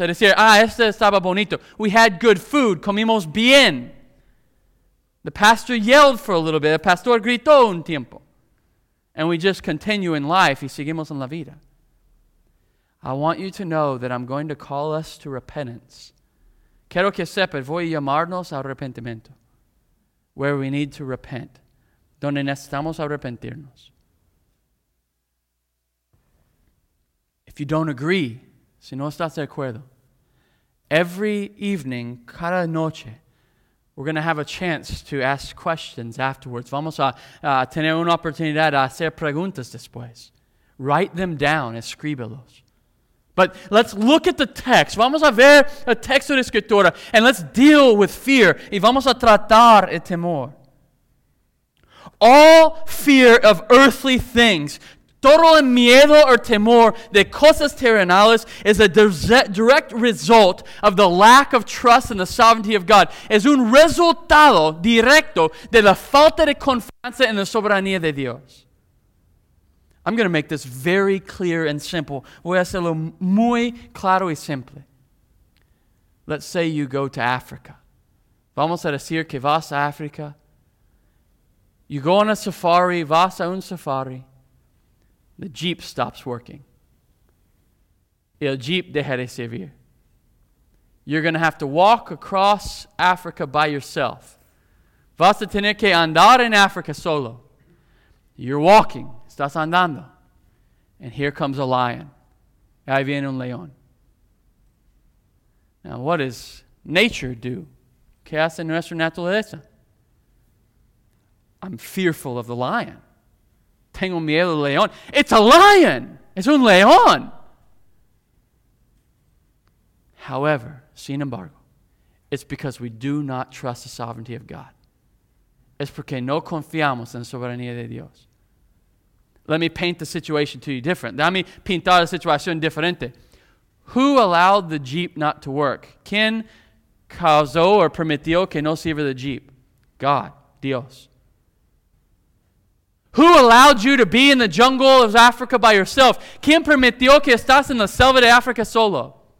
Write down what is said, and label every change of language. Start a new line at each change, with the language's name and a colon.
Spanish: Es decir, este estaba bonito.
English: We had good food.
Spanish: Comimos bien.
English: The pastor yelled for a little bit.
Spanish: El pastor gritó un tiempo.
English: And we just continue in life.
Spanish: Y seguimos en la vida.
English: I want you to know that I'm going to call us to repentance.
Spanish: Quiero que sepas, voy a llamarnos al arrepentimiento.
English: Where we need to repent.
Spanish: Donde necesitamos arrepentirnos.
English: If you don't agree,
Spanish: si no estás de acuerdo,
English: every evening,
Spanish: cada noche,
English: we're going to have a chance to ask questions afterwards.
Spanish: Vamos a tener una oportunidad a hacer preguntas después.
English: Write them down,
Spanish: escríbelos.
English: But let's look at the text.
Spanish: Vamos a ver el texto de Escritura.
English: And let's deal with fear.
Spanish: Y vamos a tratar el temor.
English: All fear of earthly things.
Spanish: Todo el miedo o temor de cosas terrenales
English: is a direct result of the lack of trust in the sovereignty of God.
Spanish: Es un resultado directo de la falta de confianza en la soberanía de Dios.
English: I'm going to make this very clear and simple.
Spanish: Voy a hacerlo muy claro y simple.
English: Let's say you go to Africa.
Spanish: Vamos a decir que vas a África.
English: You go on a safari,
Spanish: vas a un safari.
English: The jeep stops working.
Spanish: El jeep deja de servir.
English: You're going to have to walk across Africa by yourself.
Spanish: Vas a tener que andar en África solo.
English: You're walking.
Spanish: Estás andando.
English: And here comes a lion.
Spanish: Ahí viene un león.
English: Now, what does nature do?
Spanish: ¿Qué hace nuestra naturaleza?
English: I'm fearful of the lion.
Spanish: Tengo miedo del león.
English: It's a lion.
Spanish: Es un león.
English: However,
Spanish: sin embargo,
English: it's because we do not trust the sovereignty of God.
Spanish: Es porque no confiamos en la soberanía de Dios.
English: Let me paint the situation to you different.
Spanish: Dame pintar la situación diferente.
English: Who allowed the jeep not to work?
Spanish: ¿Quién causó o permitió que no sirva the jeep?
English: God, Dios. Who allowed you to be in the jungle of Africa by yourself?
Spanish: ¿Quién permitió que estás en la selva de África solo?